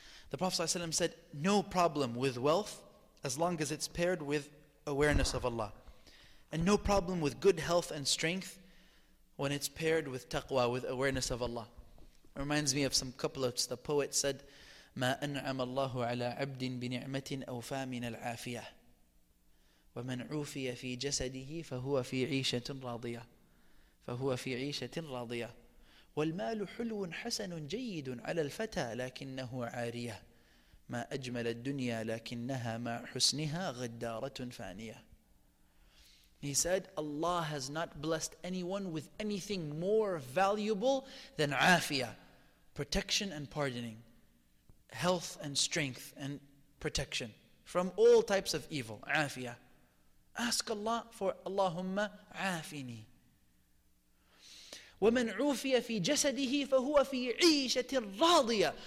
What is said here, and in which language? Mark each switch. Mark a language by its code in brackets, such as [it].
[en] The Prophet ﷺ said, no problem with wealth as long as it's paired with awareness of Allah. And no problem with good health and strength when it's paired with taqwa, with awareness of Allah. It reminds me of some couplets. The poet said, [ar] مَا أَنْعَمَ اللَّهُ عَلَىٰ عَبْدٍ بِنِعْمَةٍ أَوْفَىٰ مِنَ الْعَافِيَةِ وَمَنْ عُوفِيَ فِي جَسَدِهِ فَهُوَ فِي عِيشَةٍ رَاضِيَةٍ. فهو في عيشة راضية. والمال حلو حسن جيد على الفتى لكنه عارية. ما أجمل الدنيا لكنها مع حسنها غدارة فانية. [en] He said, Allah has not blessed anyone with anything more valuable than afia, protection and pardoning, health and strength and protection from all types of evil, afia. Ask Allah for [ar] Allahumma afini. وَمَنْ عُوفِيَ فِي جَسَدِهِ فَهُوَ فِي عِيشَةٍ رَاضِيَةٍ.